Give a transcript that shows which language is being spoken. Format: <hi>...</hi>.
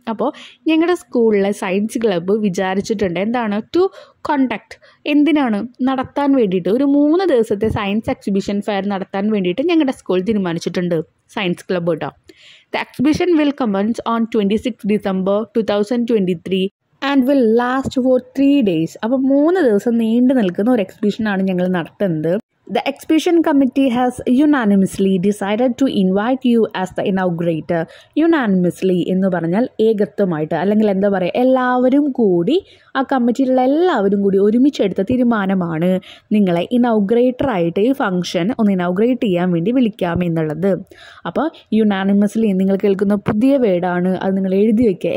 <ml>അപ്പോൾ ഞങ്ങളുടെ സ്കൂളിലെ സയൻസ് ക്ലബ്ബ് വിചാരിച്ചിട്ടുണ്ട് എന്താണ്, ടു കണ്ടക്ട്, എന്തിനാണ്, നടത്താൻ വേണ്ടിയിട്ട് ഒരു 3 ദിവസത്തെ സയൻസ് എക്സിബിഷൻ ഫെയർ നടത്താൻ വേണ്ടിയിട്ട് ഞങ്ങളുടെ സ്കൂൾ തീരുമാനിച്ചിട്ടുണ്ട് സയൻസ് ക്ലബ്ബ് കേട്ടോ.</ml> <en>The exhibition will commence on 26 December 2023 and will last for 3 days.</en> <ml>അപ്പോൾ 3 ദിവസം നീണ്ടു നിൽക്കുന്ന ഒരു എക്സിബിഷനാണ് ഞങ്ങൾ നടത്തുന്നത്.</ml> <en>The exhibition committee has unanimously decided to invite you as the inaugurator.</en> <ml>Unanimously എന്ന് പറഞ്ഞാൽ ഏകത്വമായിട്ട്, അല്ലെങ്കിൽ എന്താ പറയുക, എല്ലാവരും കൂടി, ആ കമ്മിറ്റിയിലുള്ള എല്ലാവരും കൂടി ഒരുമിച്ചെടുത്ത തീരുമാനമാണ് നിങ്ങളെ ഇനോഗ്രേറ്ററായിട്ട് ഈ ഫംഗ്ഷൻ ഒന്ന് ഇനോഗ്രേറ്റ് ചെയ്യാൻ വേണ്ടി വിളിക്കാം എന്നുള്ളത്. അപ്പോൾ യുനാനിമസ്ലി നിങ്ങൾ കേൾക്കുന്ന പുതിയ വേർഡാണ്, അത് നിങ്ങൾ എഴുതി വയ്ക്കുക.</ml>